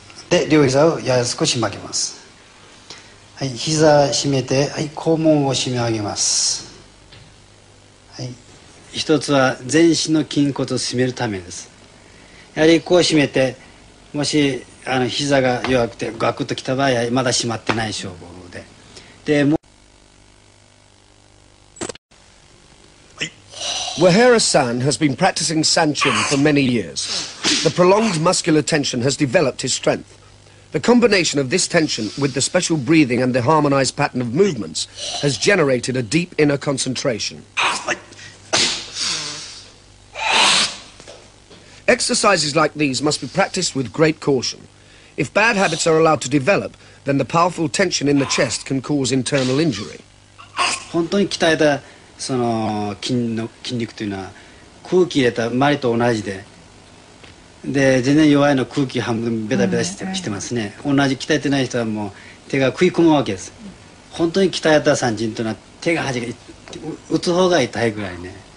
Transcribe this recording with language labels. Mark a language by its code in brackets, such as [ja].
[ja] で、両膝をやや少し曲げます。はい、膝を締めて、はい、肛門を締め上げます。はい、一つは全身の筋骨を締めるためです。やはりこう締めて、もし膝が弱くてガクッときた場合はまだ締まってない証拠で、で、もう、 [en] はい、Wahera-san has been practicing Sanchin for many years. The prolonged muscular tension has developed his strength. The combination of this tension with the special breathing and the harmonized pattern of movements has generated a deep inner concentration. Exercises like these must be practiced with great caution. If bad habits are allowed to develop, then the powerful tension in the chest can cause internal injury. [ja] 本当に鍛えたその筋肉というのは空気入れた周りと同じで、で、全然弱いの空気半分ベタベタしてますね。同じ鍛えてない人はもう手が食い込むわけです。本当に鍛えた三鎮というのは手が弾け、打つ方が痛いぐらいね。